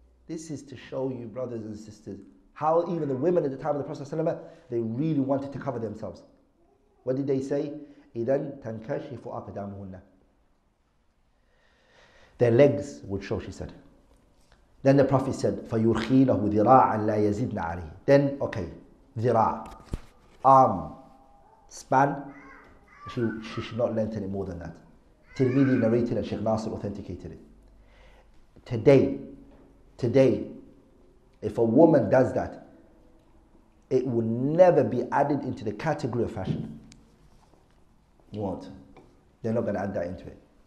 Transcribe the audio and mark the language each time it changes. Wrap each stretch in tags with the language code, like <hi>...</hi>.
<en>This is to show you, brothers and sisters, how even the women at the time of the Prophet, they really wanted to cover themselves.</en> <ar>What did they say? إِذَنْ تَنْكَشِفُ أَقْدَامُهُنَّ.</ar> <en>Their legs would show, she said.</en> <ar>Then the Prophet said, فَيُرْخِينَهُ ذِرَاعًا لَا يَزِدْنَ عَلِهِ.</ar> <en>Then, okay, ذِرَاع, arm, span, she should not lengthen it more than that. Tirmidhi narrated and Sheikh Nasir authenticated it. Today, if a woman does that, it will never be added into the category of fashion. You won't. They're not going to add that into it.</en>